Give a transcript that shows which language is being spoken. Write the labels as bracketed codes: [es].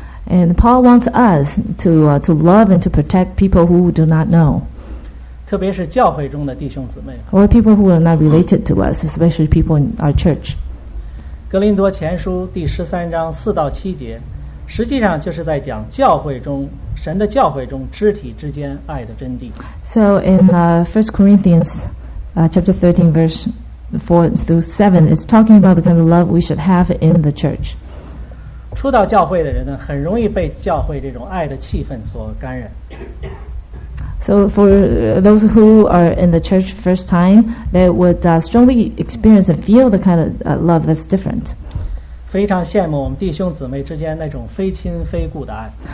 [en] and Paul wants us to love and to protect people who do not know [zh] 特别是教会中的弟兄姊妹 [en] or people who are not related to us especially people in our church [zh] 格林多前书第十三章四到七节实际上就是在讲教会中神的教会中肢体之间爱的真谛 [en] so in 1 Corinthians chapter 13 verse 4 through 7 is talking about the kind of love we should have in the church. [zh] 初到教会的人呢，很容易被教会这种爱的气氛所感染。 [en] So for those who are in the church first time, they would strongly experience and feel the kind of love that's different. [zh] 非常羡慕我们弟兄姊妹之间那种非亲非故的爱。